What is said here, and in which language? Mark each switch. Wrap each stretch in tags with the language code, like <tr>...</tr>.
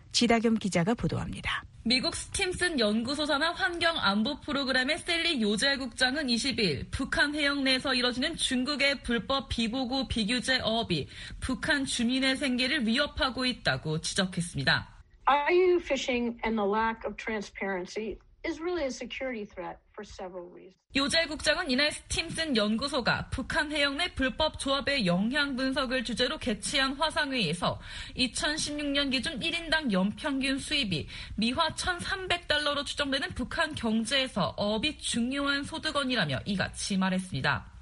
<ko>지다겸 기자가 보도합니다. 미국 스팀슨 연구소 산하 환경 안보 프로그램의 셀리 요젤 국장은 20일 북한 해역 내에서 이뤄지는 중국의 불법 비보고 비규제 어업이 북한 주민의 생계를 위협하고 있다고 지적했습니다.</ko> <en>Are you fishing and the lack of transparency? Is really a security threat for several reasons.</en> <ko>요젤 국장은 이날 스팀슨 연구소가 북한 해역 내 불법 조업의 영향 분석을 주제로 개최한 화상회의에서 2016년 기준 1인당 연평균 수입이 미화 $1,300로 추정되는 북한 경제에서 어업이 중요한 소득원이라며 이같이 말했습니다.</ko>